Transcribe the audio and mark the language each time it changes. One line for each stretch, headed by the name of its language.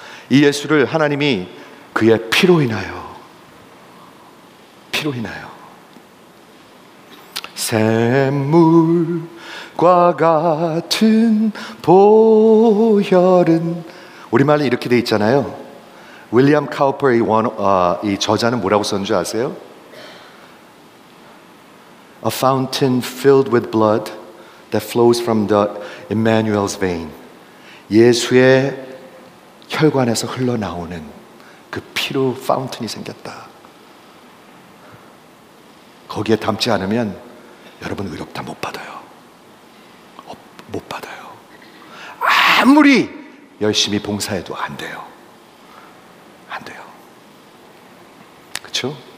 Korean: 이 예수를 하나님이 그의 피로 인하여 샘물과 같은 보혈은, 우리말로 이렇게 돼 있잖아요. 윌리엄 카우퍼의 이 저자는 뭐라고 썼는 줄 아세요?
English: A fountain filled with blood that flows from the Emmanuel's vein.
Korean: 예수의 혈관에서 흘러나오는 그 피로 파운튼이 생겼다. 거기에 담지 않으면 여러분 의롭다 못 받아요. 못 받아요. 아무리 열심히 봉사해도 안 돼요. 안 돼요. 그렇죠?